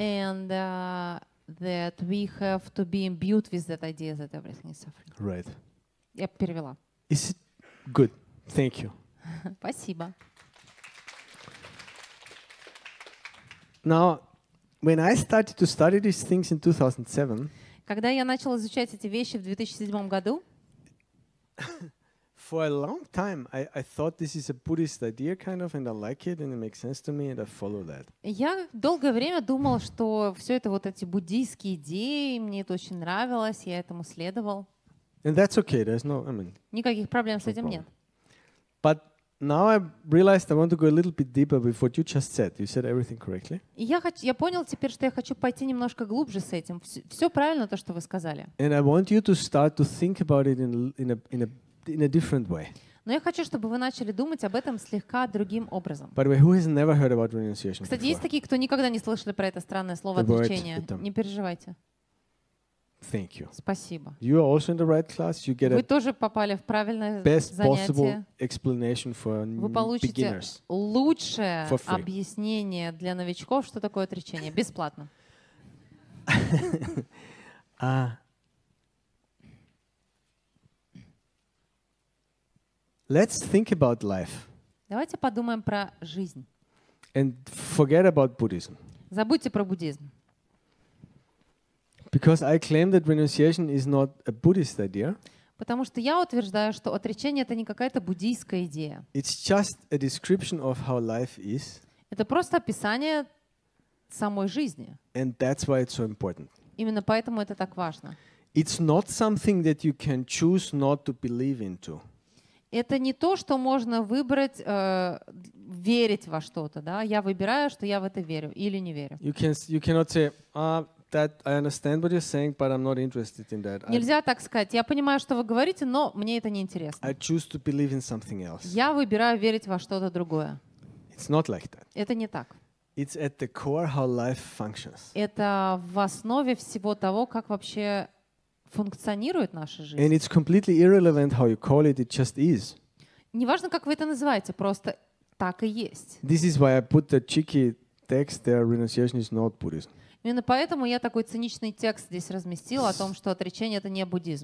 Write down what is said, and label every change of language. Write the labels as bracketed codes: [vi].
[en] and that we have to be imbued with that idea that everything is suffering. Right. [ru] Я перевела. [en] Is it good? Thank you. [ru] Спасибо. [en] Now. When I started to study these things in 2007, [ru] когда я начал изучать эти вещи в 2007 году, [en] for a long time I thought this is a Buddhist idea kind of, and I like it, and it makes sense to me, and I follow that. [ru] Я долгое время думал, что все это вот эти буддийские идеи, мне это очень нравилось, я этому следовал. [en] And that's okay. There's no, I mean. [ru] Никаких проблем с этим нет. [en] But now I realized I want to go a little bit deeper with what you just said. You said everything correctly. [ru] Я понял теперь, что я хочу пойти немножко глубже с этим. Все правильно то, что вы сказали. [en] And I want you to start to think about it in a different way. [ru] Но я хочу, чтобы вы начали думать об этом слегка другим образом. [en] By the way, who has never heard about renunciation? [ru] Кстати, есть такие, кто никогда не слышали про это странное слово отречение. Не переживайте. [en] Thank you. [ru] Спасибо. [en] You are also in the right class. You get [ru] Вы тоже попали в правильное [en] best [ru] занятие. [en] Best possible explanation for beginners. [ru] Вы получите [en] beginners [ru] лучшее объяснение для новичков, что такое отречение, бесплатно. [en] Let's think about life. [ru] Давайте подумаем про жизнь. [en] And forget about Buddhism. [ru] Забудьте про буддизм. [en] Because I claim that renunciation is not a Buddhist idea. [ru] Потому что я утверждаю, что отречение — это не какая-то буддийская идея. [en] It's just a description of how life is. [ru] Это просто описание самой жизни. [en] And that's why it's so important. [ru] Именно поэтому это так важно. [en] It's not something that you can choose not to believe into. [ru] Это не то, что можно выбрать верить во что-то, да? Я выбираю, что я в это верю или не верю. [en] You cannot say, that I understand what you're saying, but I'm not interested in that. [ru] Нельзя так сказать. Я понимаю, что вы говорите, но мне это не интересно. [en] I choose to believe in something else. [ru] Я выбираю верить во что-то другое. [en] It's not like that. [ru] Это не так. [en] It's at the core how life functions. [ru] Это в основе всего того, как вообще функционирует наша жизнь. [en] And it's completely irrelevant how you call it. It just is. [ru] Неважно, как вы это называете, просто так и есть. [en] This is why I put the cheeky text there. Renunciation is not Buddhism. [ru] Именно поэтому я такой циничный текст здесь разместил о том, что отречение — это не буддизм.